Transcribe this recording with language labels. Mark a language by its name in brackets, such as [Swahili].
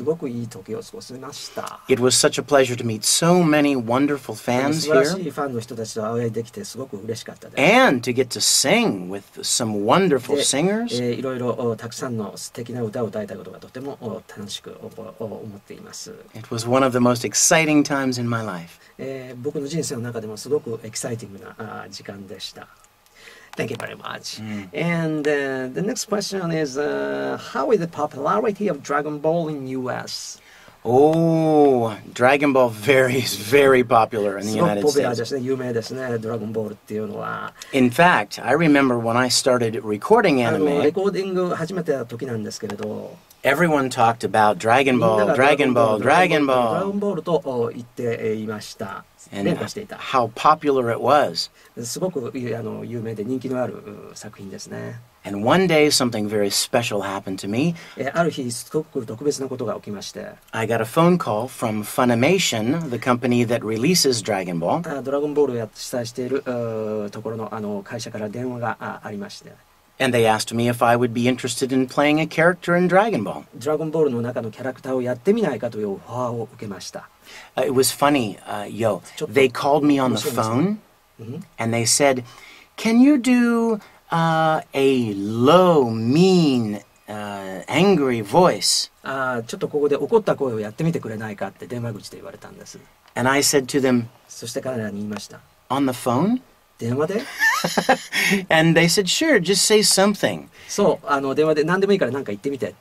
[Japanese] すごくいい時を過ごしました。 [English] It was such a pleasure to meet so many wonderful fans here. [Japanese] 素晴らしいファンの人たちと会えできてすごく嬉しかったです。 [English] And to get to sing with some wonderful singers. [Japanese] いろいろたくさんの素敵な歌を歌えたことがとても楽しく思っています。 [English] It was one of the most exciting times in my life. [Japanese] 僕の人生の中でもすごくエキサイティングな時間でした。 [English] Thank you very much. Mm. And the next question is, how is the popularity of Dragon Ball in U.S.? Oh, Dragon Ball very, very popular in the United States. [Japanese] すごく有名ですね、Dragon Ball っていうのは。 [English] In fact, I remember when I started recording anime, [Japanese] レコーディング始めた時なんですけれど、 [English] Everyone talked about Dragon Ball, Dragon Ball, Dragon Ball. [Japanese] Dragon Ball と言っていました。 [English] And how popular it was. [Japanese] すごく有名で人気のある作品ですね。 [English] And one day something very special happened to me. [Japanese] ある日すごく特別なことが起きまして。 [English] I got a phone call from Funimation, the company that releases Dragon Ball. [Japanese] ドラゴンボールを主催しているところの会社から電話がありまして。 [English] And they asked me if I would be interested in playing a character in Dragon Ball. [Japanese] Dragon Ball の中のキャラクターをやってみないかというオファーを受けました。 [English] It was funny, Yo. They called me on the phone, and they said, "Can you do a low, mean, angry voice?" [Japanese] ちょっとここで怒った声をやってみてくれないかって電話口で言われたんです。 [English] And I said to them, [Japanese] そして彼らに言いました。 [English] On the phone? [Japanese] 電話で [English] And they said, sure, just say something. [Japanese] そう、電話で何でもいいから何か言ってみて。